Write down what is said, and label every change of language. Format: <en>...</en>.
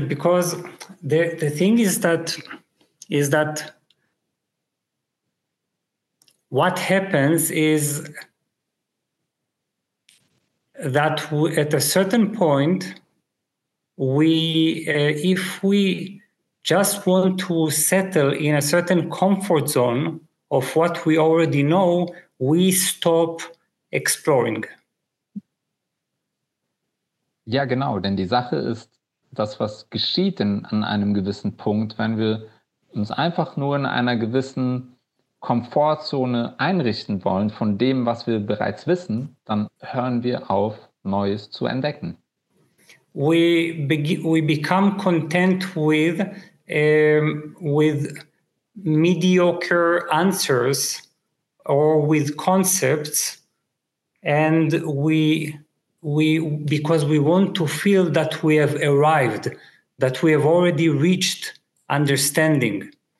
<en>Because the thing is that what happens is that at a certain point, if we just want to settle in a certain comfort zone of what we already know, we stop exploring.</en> <de>Ja, genau, denn die Sache ist, das, was geschieht an einem gewissen Punkt, wenn wir uns einfach nur in einer gewissen Komfortzone einrichten wollen von dem, was wir bereits wissen, dann hören wir auf, Neues zu entdecken.</de> <en>We become content with mediocre answers or with concepts, and we because we want to feel that we have arrived, that we have already reached understanding.</en>